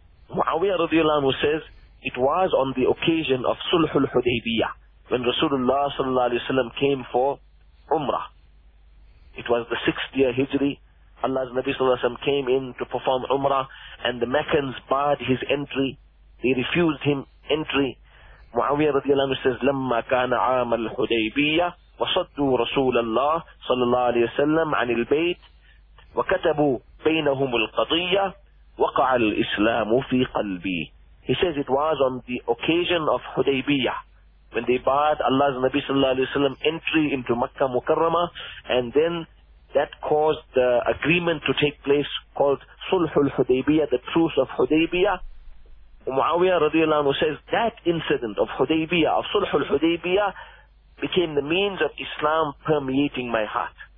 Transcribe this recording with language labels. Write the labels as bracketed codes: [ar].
[en] Muawiyah radiallahu anhu says it was on the occasion of Sulhul Hudaybiyah, when Rasulullah sallallahu alayhi wa sallam came for Umrah. It was the 6th year Hijri. Allah's Nabi sallallahu alayhi wa sallam came in to perform Umrah, and the Meccans barred his entry. They refused him entry. Muawiyah radiallahu anhu says, [ar] لما كان عام الحديبية وصدوا رسول الله صلى الله عليه وسلم عن البيت وكتبوا بينهم القضية وقع الإسلام في قلبي. [en] He says it was on the occasion of Hudaybiyah, when they barred Allah's Nabi sallallahu alayhi wa sallam entry into Makkah Mukarramah, and then that caused the agreement to take place called Sulhul Hudaybiyah, the truce of Hudaybiyah. Muawiyah radiallahu anhu says that incident of Hudaybiyah, of Sulhul Hudaybiyah, became the means of Islam permeating my heart.